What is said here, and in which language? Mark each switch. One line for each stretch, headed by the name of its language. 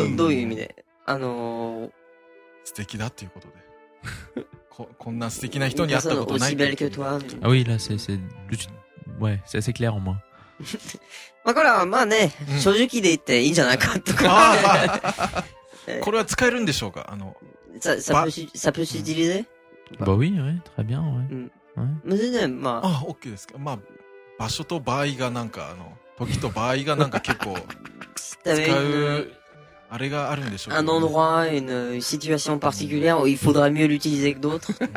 Japanese: 素敵だっていうことで、こんな素敵な人に会ったことないって。
French: あ、oui, là, c'est, ouais, c'est assez clair, au moins.
Japanese: まあ、これは、まあね、正直で言っていいんじゃないかとか。これは使えるんでしょうか、
French: ça peut s'utiliser? Bah oui, ouais, très bien, ouais.
Japanese: まあ、全然、まあ。あ、OK ですか。まあ、場所と場合がなんか、時と場合がなんか結構、使う。あれがあるんでしょう
French: か。Un endroit, une situation particulière où il faudrait mieux l'utiliser que d'autres.